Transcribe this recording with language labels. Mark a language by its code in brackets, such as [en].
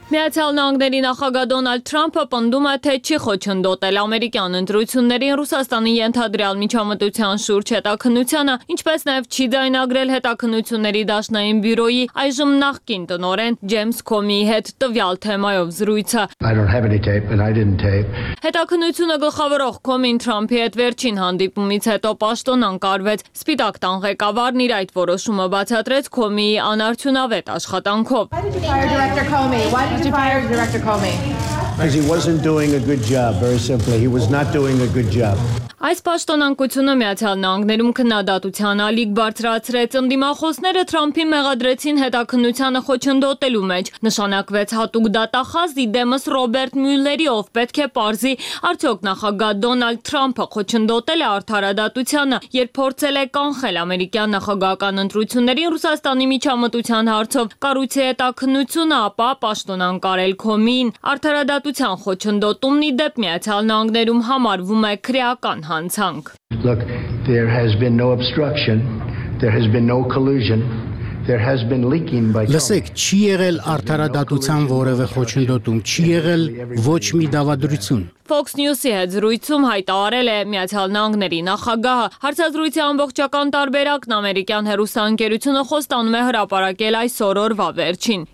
[hy] Միացյալ Նահանգների նախագահ Դոնալդ Թրամփը պնդում է, թե չի խոչընդոտել ամերիկյան ընտրություններին Ռուսաստանի ենթադրյալ միջամտության շուրջ հետաքննությանը, ինչպես նաև չի ձայնագրել հետաքննությունների դաշնային բյուրոյի այժմ նախկին տնօրեն Ջեյմս Կոմիի հետ տվյալ թեմայով զրույցը։ Հետաքննությունը գլխավորող Կոմին Թրամփի հետ վերջին հանդիպումից հետո պաշտոնան կարվեց։ Սպիտակ տան ղեկավարն իր այդ որոշումը բացատրեց Կոմիի անարդյունավետ աշխատանքով։ [en] Why did you fire Director Comey? Because he wasn't doing a good job, very simply. He was not doing a good job. [hy] Այս պաշտոնանկությունը Միացյալ Նահանգներում քննադատության ալիք բարձրացրեց։ Ընդդիմախոսները Թրամփին մեղադրեցին հետաքննությանը խոչընդոտելու մեջ։ Նշանակվեց հատուկ դատախազ դեմս Ռոբերտ Մյուլլերի, ով պետք է պարզի, արդյոք նախագահ Դոնալդ Թրամփը խոչընդոտել է արդարադատությանը, երբ փորձել է կանխել ամերիկյան նախագահական ընտրություններին Ռուսաստանի միջամտության հարցով։ Կարույցի հետաքննությունը ապա պաշտոնան կարել Քոմին։ Արդարադատության խոչընդոտումն ի դեպ Միացյալ Նահանգներում համարվում է քրեական [en] Look, there has been no obstruction, there has been no collusion, [hy] Լսեք, չի եղել արդարադատության որևէ խոչընդոտում, չի եղել ոչ մի դավադրություն։ Fox News-ի հետ զրույցում հայտարարել է Միացյալ Նահանգների նախագահը, հարցազրույցի ամբողջական տարբերակն ամերիկյան հեռուստաընկերությունը խոստանում է հրապարակել այս օրվա վերջին։